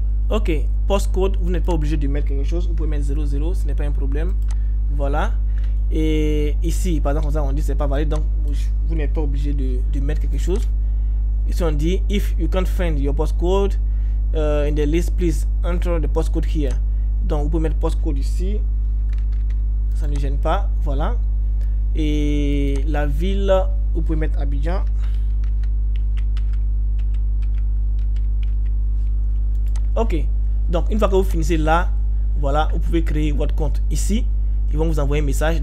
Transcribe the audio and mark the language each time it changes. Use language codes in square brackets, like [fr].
[fr] Ok, postcode, vous n'êtes pas obligé de mettre quelque chose, vous pouvez mettre 00, ce n'est pas un problème. Voilà. Et ici, par exemple, comme ça, on dit que ce n'est pas valide, donc vous n'êtes pas obligé de mettre quelque chose. Ici, on dit, [en] if you can't find your postcode in the list, please enter the postcode here. [fr] Donc, vous pouvez mettre postcode ici. Ça ne gêne pas. Voilà. Et la ville, vous pouvez mettre Abidjan. Ok. Donc, une fois que vous finissez là, voilà, vous pouvez créer votre compte ici. Ils vont vous envoyer un message.